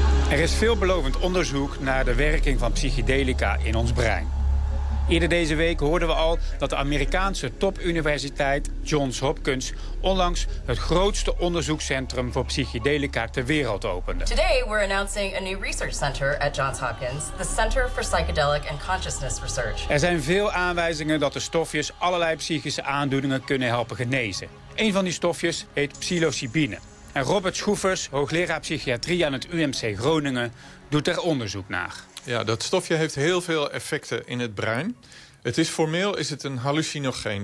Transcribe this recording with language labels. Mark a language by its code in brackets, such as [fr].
[nl] Er is veelbelovend onderzoek naar de werking van psychedelica in ons brein. Eerder deze week hoorden we al dat de Amerikaanse topuniversiteit Johns Hopkins onlangs het grootste onderzoekscentrum voor psychedelica ter wereld opende. [en] Today we're announcing a new research center at Johns Hopkins, the Center for Psychedelic and Consciousness Research. [nl] Er zijn veel aanwijzingen dat de stofjes allerlei psychische aandoeningen kunnen helpen genezen. Een van die stofjes heet psilocybine. En Robert Schoefers, hoogleraar psychiatrie aan het UMC Groningen, doet er onderzoek naar. Ja, dat stofje heeft heel veel effecten in het brein. Het is formeel is het een hallucinogeen.